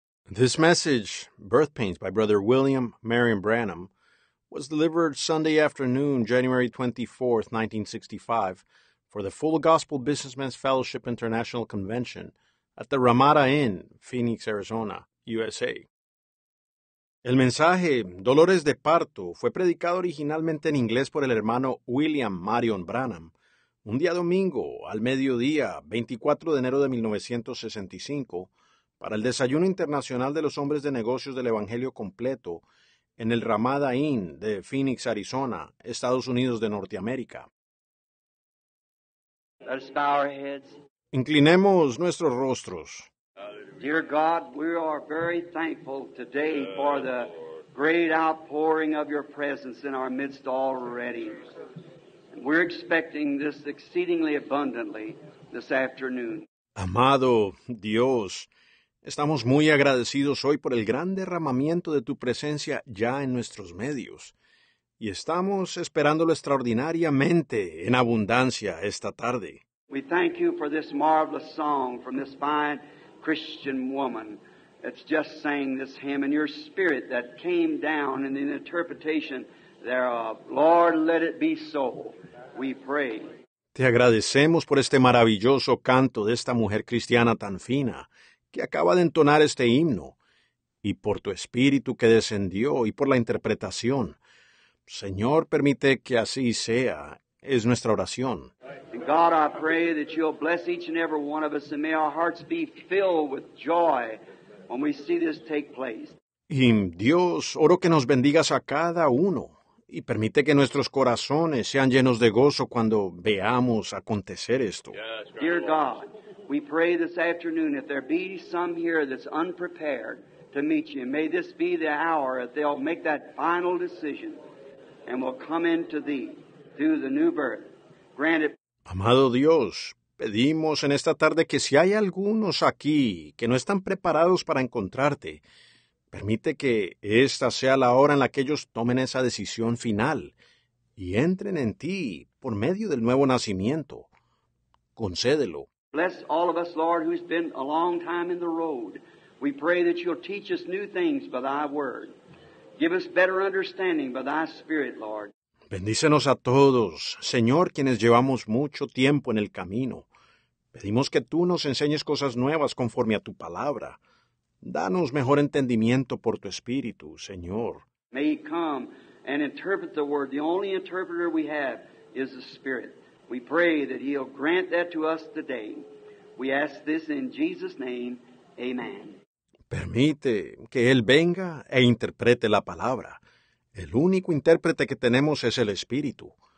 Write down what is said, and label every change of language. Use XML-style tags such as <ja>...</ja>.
<en>This message, Birth Pains, by Brother William Marion Branham, was delivered Sunday afternoon, January 24, 1965, for the Full Gospel Businessmen's Fellowship International Convention at the Ramada Inn, Phoenix, Arizona, USA.</en> <es>El mensaje, Dolores de Parto, fue predicado originalmente en inglés por el hermano William Marion Branham, un día domingo, al mediodía, 24 de enero de 1965, para el Desayuno Internacional de los Hombres de Negocios del Evangelio Completo en el Ramada Inn de Phoenix, Arizona, Estados Unidos de Norteamérica.</es> <en>Let us bow our heads.</en> <es>Inclinemos nuestros rostros.</es> <en>Dear God, we are very thankful today for the great outpouring of your presence in our midst already. We're expecting this exceedingly abundantly this afternoon.</en> <es>Amado Dios, estamos muy agradecidos hoy por el gran derramamiento de tu presencia ya en nuestros medios, y estamos esperándolo extraordinariamente en abundancia esta tarde.</es> <en>We thank you for this marvelous song from this fine Christian woman that's just sang this hymn, and your spirit that came down in the interpretation thereof. Lord, let it be so, we pray.</en> <es>Te agradecemos por este maravilloso canto de esta mujer cristiana tan fina, que acaba de entonar este himno, y por tu espíritu que descendió y por la interpretación. Señor, permite que así sea, es nuestra oración.</es> <en>And God, I pray that you'll bless each and every one of us, and may our hearts be filled with joy when we see this take place.</en> <es>Y Dios, oro que nos bendigas a cada uno, y permite que nuestros corazones sean llenos de gozo cuando veamos acontecer esto.</es> <en>Dear God, we pray this afternoon, if there be some here that's unprepared to meet you, may this be the hour that they'll make that final decision and will come into thee through the new birth. Grant it.</en> <es>Amado Dios, pedimos en esta tarde que si hay algunos aquí que no están preparados para encontrarte, permite que esta sea la hora en la que ellos tomen esa decisión final y entren en ti por medio del nuevo nacimiento. Concédelo.</es> <en>Bless all of us, Lord, who's been a long time in the road. We pray that you'll teach us new things by thy word. Give us better understanding by thy spirit, Lord.</en> <es>Bendícenos a todos, Señor, quienes llevamos mucho tiempo en el camino. Pedimos que tú nos enseñes cosas nuevas conforme a tu palabra. Danos mejor entendimiento por tu espíritu, Señor.</es> <en>May he come and interpret the word. The only interpreter we have is the Spirit. We pray that he'll grant that to us today. We ask this in Jesus' name. Amen.</en> <es>Permite que él venga e interprete la palabra. El único intérprete que tenemos es el Espíritu.</es>